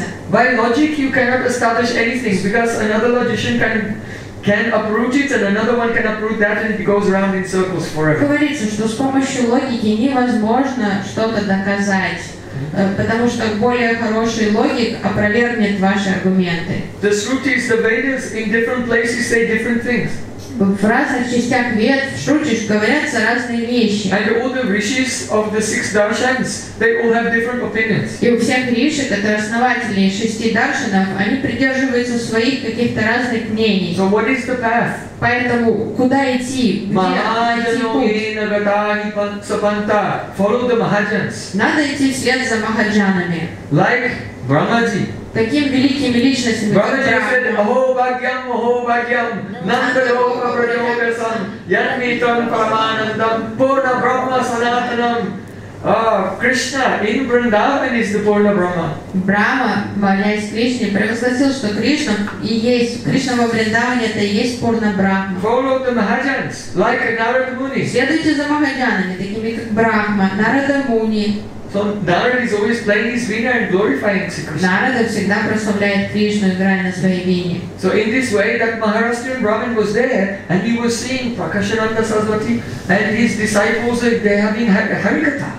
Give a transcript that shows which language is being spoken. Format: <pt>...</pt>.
<en>By logic you cannot establish anything because another logician can uproot it and another one can uproot that and it goes around in circles forever.</en> <ru>Говорится, что с помощью логики невозможно что-то доказать. Потому что более хороший логик опровергнет ваши аргументы.</ru> <en>The Shrutis, the Vedas, in different places say different things.</en> <ru>В разных частях Вед, в Шрути, говорятся разные вещи.</ru> <en>And all the rishis of the six darshans, they all have different opinions.</en> <ru>И у всех риши, которые основатели шести даршанов, они придерживаются своих каких-то разных мнений.</ru> <en>So what is the path?</en> <ru>Поэтому куда идти?</ru> <en>Махаджано, follow the Mahajans.</en> <ru>Надо идти вслед за Махаджанами.</ru> <en>Like Брахмаджи.</en> <ru>Таким великими личностями.</ru> <en>Брахмаджи said,</en> <sa>Aho Bhagyam, Aho Bhagyam, Nanda Loka Prajoga San, Yatmitam Paramanandam, Purna Brahma Sanatanam,</sa> <en>Krishna in Vrindavan is the Purna Brahma.</en> <ru>Brahma, являясь Кришне, провозгласил, что Кришна и есть Кришна во Вриндаване, это и есть Пурна Брахма.</ru> <en>Follow the Mahajans, like Narada Muni.</en> <ru>Следуйте за Махаджанами, такими как Брахма, Нарада Муни.</ru> <en>So Narada is always playing his veena and glorifying Krishna.</en> <ru>Нарада всегда прославляет Кришну, играя на своей вине.</ru> <en>So in this way, that Maharashtrian Brahmin was there, and he was seeing Prakashananda Saraswati and his disciples, they have been having harikatha.</en>